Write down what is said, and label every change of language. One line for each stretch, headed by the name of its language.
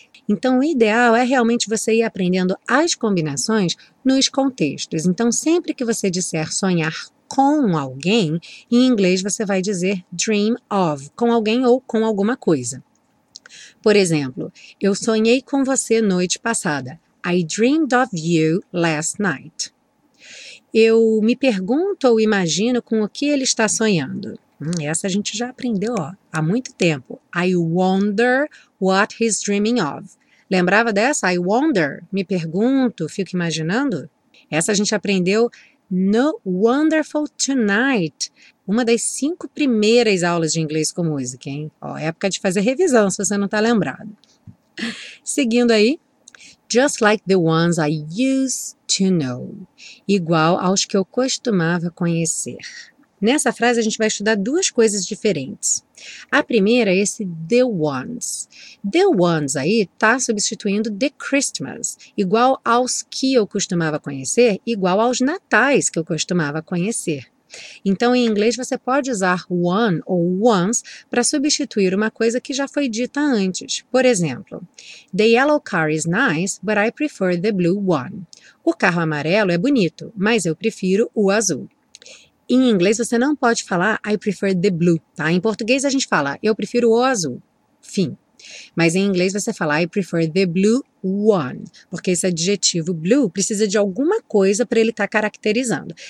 Portuguese: Então, o ideal é realmente você ir aprendendo as combinações nos contextos. Então, sempre que você disser sonhar com alguém, em inglês você vai dizer dream of, com alguém ou com alguma coisa. Por exemplo, eu sonhei com você noite passada.
English: I dreamed of you last night.
Portuguese: Eu me pergunto ou imagino com o que ele está sonhando. Essa a gente já aprendeu, ó, há muito tempo.
English: I wonder what he's dreaming of.
Portuguese: Lembrava dessa?
English: I wonder,
Portuguese: me pergunto, fico imaginando? Essa a gente aprendeu no Wonderful Tonight, uma das cinco primeiras aulas de inglês com música, hein? Ó, época de fazer revisão, se você não está lembrado. Seguindo aí.
English: Just like the ones I used to know.
Portuguese: Igual aos que eu costumava conhecer. Nessa frase, a gente vai estudar duas coisas diferentes. A primeira é esse the ones. The ones aí está substituindo the Christmas. Igual aos que eu costumava conhecer, igual aos natais que eu costumava conhecer. Então, em inglês, você pode usar one ou once para substituir uma coisa que já foi dita antes. Por exemplo,
English: the yellow car is nice, but I prefer the blue one.
Portuguese: O carro amarelo é bonito, mas eu prefiro o azul. Em inglês, você não pode falar
English: I prefer the blue,
Portuguese: tá? Em português, a gente fala eu prefiro o azul, fim. Mas em inglês, você fala
English: I prefer the blue one,
Portuguese: porque esse adjetivo blue precisa de alguma coisa para ele estar caracterizando.